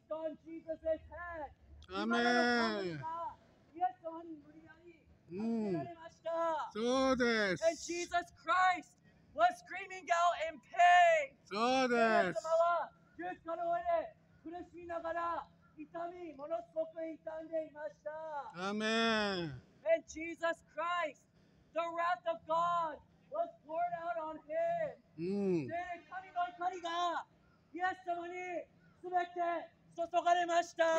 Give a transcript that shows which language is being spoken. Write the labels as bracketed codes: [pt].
[en] And Jesus Christ was screaming out in pain。 [ja] そうです。イエス様は十字架の上で苦しみながら痛みものすごく痛んでいました。アーメン。 [en] And Jesus Christ, the wrath of God was poured out on him. [ja] 神の怒りがイエス様にすべて注がれました。